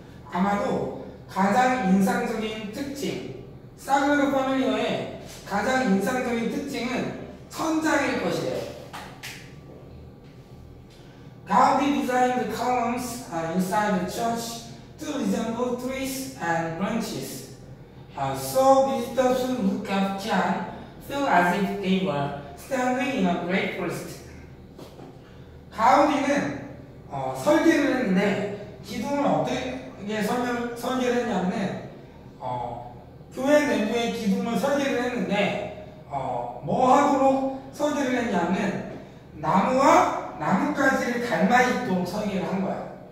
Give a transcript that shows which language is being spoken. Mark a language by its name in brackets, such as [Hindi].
[Korean] 아마도 가장 인상적인 특징, 사그라드 파밀리아의 가장 인상적인 특징은 천장일 것이에요. [English] Gaudi designed the columns inside the church to resemble trees and branches. So visitors who look up can feel as if they were standing in a great forest. [Korean] Gaudi는 설계를 했는데 기둥을 어떻게 설계를 했냐면은 교회 내부의 기둥을 설계를 했는데 뭐하도록 설계를 했냐면 나무와 나뭇가지를 닮아 있도록 설계를 한 거야.